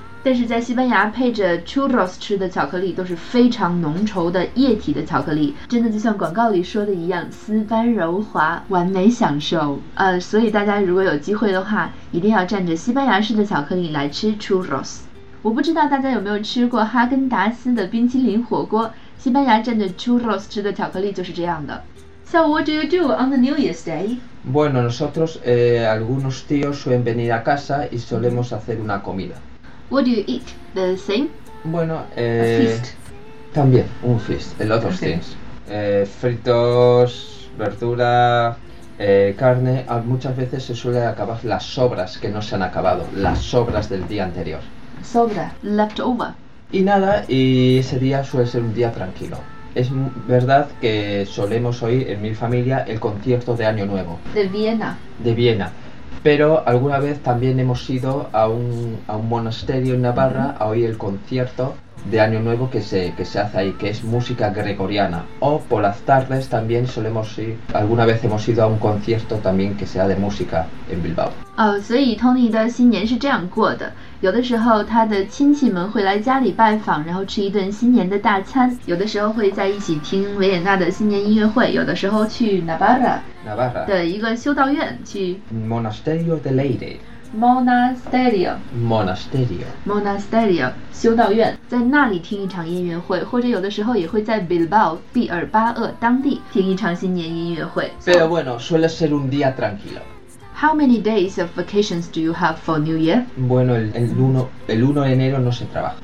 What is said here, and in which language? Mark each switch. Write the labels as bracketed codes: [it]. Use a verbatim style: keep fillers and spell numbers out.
[zh] 但是在西班牙配着 churros 吃的巧克力都是非常浓稠的液体的巧克力，真的就像广告里说的一样，丝般柔滑，完美享受。呃，所以大家如果有机会的话，一定要蘸着西班牙式的巧克力来吃 churros。我不知道大家有没有吃过哈根达斯的冰淇淋火锅，西班牙蘸着 churros 吃的巧克力就是这样的。 [en] So what do you do on the New Year's Day? [es] Bueno, nosotros eh, algunos tíos suelen venir a casa y solemos hacer una comida. [en] What do you eat? The same? [es] Bueno, [en] A eh, feast. [es] también un feast, el otro [en] Ok. [es] things. Eh, fritos, verdura, eh, carne. Ah, muchas veces se suele acabar las sobras que no se han acabado, las sobras del día anterior. Sobra. Leftover. Y nada, y ese día suele ser un día tranquilo. Es m- verdad que solemos oír en mi familia el concierto de Año Nuevo [en] The Vienna. [es] de Viena. Pero alguna vez también hemos ido a un, a un monasterio en Navarra a oír el concierto de Año Nuevo que se, que se hace ahí, que es música gregoriana. O por las tardes también solemos ir, alguna vez hemos ido a un concierto también que sea de música en Bilbao. [zh] 呃，所以 Tony 的新年是这样过的：有的时候他的亲戚们会来家里拜访，然后吃一顿新年的大餐；有的时候会在一起听维也纳的新年音乐会；有的时候去 Navarra [es] Navarra, [zh] 的一个修道院去 [es] Monasterio de Leire, Monasterio Monasterio. [zh] Monasterio 修道院，在那里听一场音乐会，或者有的时候也会在 Bilbao 毕尔巴鄂当地听一场新年音乐会。 [es] Pero bueno, suele ser un día tranquilo. [en] How many days of vacations do you have for New Year? [es] Bueno, el, el, uno, el uno de enero no se trabaja.